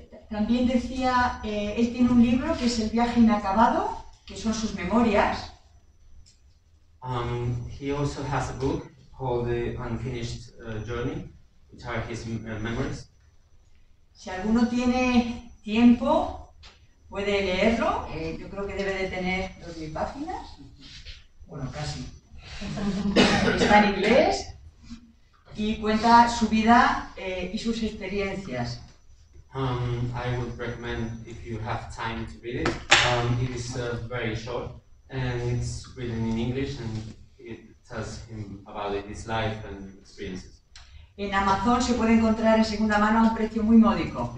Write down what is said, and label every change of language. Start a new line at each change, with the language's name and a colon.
Spanish: También decía, él tiene un libro que es El viaje inacabado, que son sus memorias.
English: He also has a book called The Unfinished Journey, which are his memories.
Spanish: Si alguno tiene tiempo, puede leerlo. Yo creo que debe de tener 2.000 páginas. Bueno, casi. Está en inglés y cuenta su vida y sus experiencias.
English: I would recommend if you have time to read it. It is very short and it's written in English and it tells him about his life and experiences.
Spanish: En Amazon se puede encontrar en segunda mano a un precio muy módico.